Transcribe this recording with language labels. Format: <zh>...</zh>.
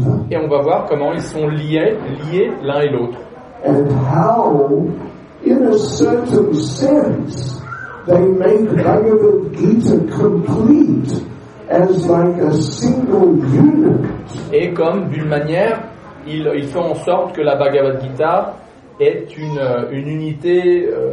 <fr>Et on va voir comment ils sont liés l'un et l'autre.</fr> <en>And how, in a certain sense, they make Bhagavad Gita complete as like a single unit.</en> <fr>Et comme d'une manière, ils font en sorte que la Bhagavad Gita est une unité</fr>